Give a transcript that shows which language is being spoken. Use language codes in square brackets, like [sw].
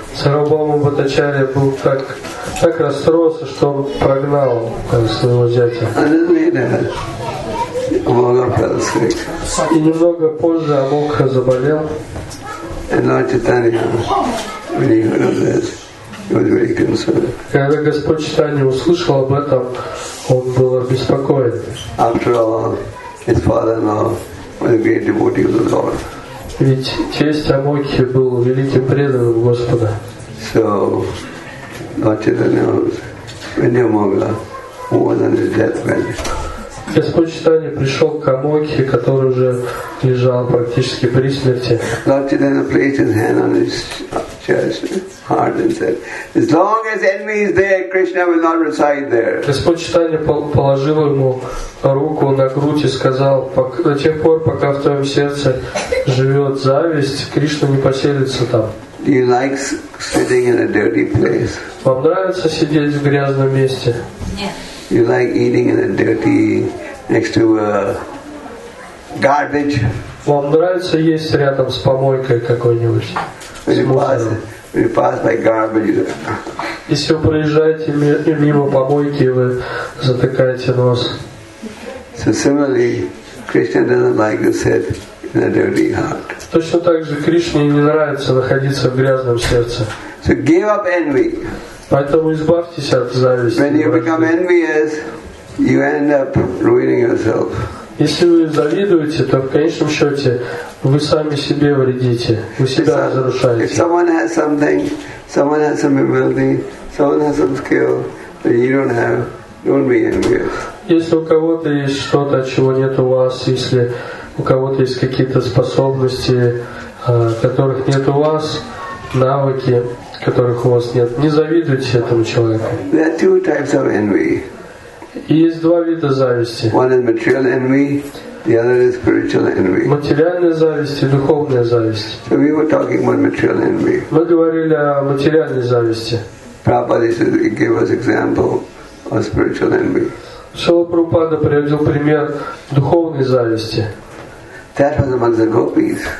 [ru] Сарвабхаума Бхаттачарья был так расстроился, что он прогнал своего зятя. [en] And then later, Amoga fell sick. [ru] И немного позже Амокха заболел. [en] And Lord Chaitanya, when he heard of this, he was very concerned. [ru] Когда Господь Чайтанья услышал об этом, он был обеспокоен. [en] After all, his father-in-law was a great devotee of the Lord. [ru] Ведь тесть Амокхи был великим преданным Господа. [en] So, Lord Chaitanya was with Amoga, who was on his deathbed. [ru] Господь Чайтанья пришел к Амокхи, который уже лежал практически при смерти. [en] Lord Chaitanya placed his hand on his chest, heart, and said, as long as envy is there, Krishna will not reside there. [ru] Господь Чайтанья положил ему руку на грудь и сказал, до тех пор, пока в твоем сердце живет зависть, Кришна не поселится там. [en] He likes sitting in a dirty place. [ru] Вам нравится сидеть в грязном месте? [en] You like eating in a dirty next to a garbage. [ru] Вам нравится есть рядом с помойкой какой-нибудь? [en] When you pass by garbage. [ru] Если вы проезжаете мимо помойки, вы затыкаете нос. [en] So similarly, Krishna doesn't like to sit in a dirty heart. [ru] Точно так же Кришне не нравится находиться в грязном сердце. [en] So give up envy. [ru] Поэтому избавьтесь от зависти. [en] When you become envious, you end up ruining yourself. [ru] Если вы завидуете, то в конечном счете вы сами себе вредите, вы себя разрушаете. [en] If someone has something, someone has some ability, someone has some skill that you don't have, don't be envious. [ru] Если у кого-то есть что-то, чего нет у вас, если у кого-то есть какие-то способности, которых нет у вас, навыки, которых у вас нет. Не завидуйте этому человеку. [en] There are two types of envy. [ru] Есть два вида зависти. [en] One is material envy, the other is spiritual envy. [ru] Материальная зависть и духовная зависть. [en] So we were talking about material envy. [ru] Мы говорили о материальной зависти. [en] Prabhupada said he gave us example of spiritual envy. [ru] Шрила Прабхупада приводил пример духовной зависти, [en] that was among the gopis.